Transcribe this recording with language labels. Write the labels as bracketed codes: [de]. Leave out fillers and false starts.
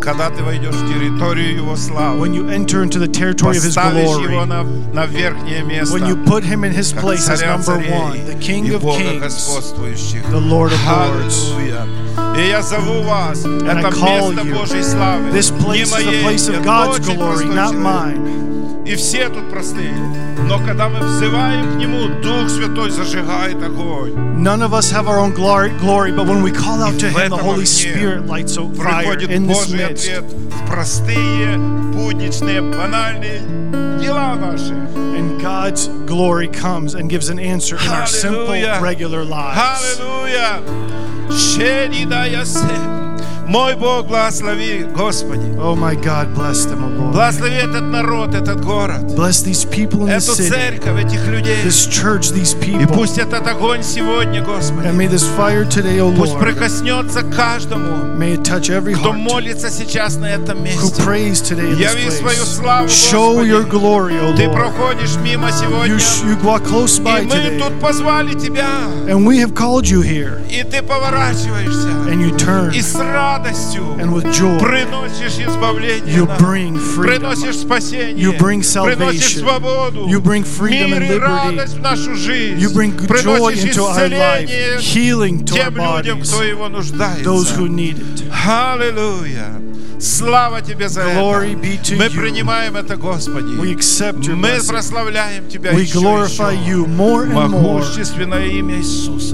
[en] When you enter into the territory of his glory, when you put him in his place as number one, the King of Kings, the Lord of Lords. And I call you. This place is the place of God's glory, not mine. [ru] И все тут простые. Но когда мы взываем к Нему, Дух Святой зажигает огонь. [en] None of us have our own glory, but when we call out to Him, the Holy Spirit lights a fire in this midst. [ru] Приходит Божий ответ в простые, будничные, банальные дела наши. [en] And God's glory comes and gives an answer in our simple, regular lives. [ru] Hallelujah! Шери да ясе. Мой Бог, благослови, Господи. [en] Oh my God, bless them, oh Lord. [ru] Благослови этот народ, этот город. [en] Bless these people in the city. [ru] Эту церковь, этих людей. [en] This church, these people. [ru] И пусть этот огонь сегодня, Господи. [en] And may this fire today, oh Lord. [ru] Пусть прикоснется каждому. [en] May it touch every heart. [ru] Кто молится сейчас на этом месте. [en] Who prays today in this place. [ru] Яви свою славу, Господи. [en] Show your glory, oh Lord. [ru] Ты проходишь мимо сегодня. [en] You walk close by today. [ru] И мы тут позвали тебя. [en] And we have called you here. [ru] И ты поворачиваешься. [en] And you turn. [ru] И сразу. [en] And with joy, you bring freedom. You bring salvation. You bring freedom and liberty. You bring joy into our life, healing to our bodies, those who need it. [ru] Hallelujah. Слава тебе за это. [en] Glory be to [ru] Мы принимаем это, Господи. [en] We accept your [ru] Мы прославляем тебя. [en] We glorify [ru] еще. [en] You more and more. [ru] Могущественное имя Иисуса.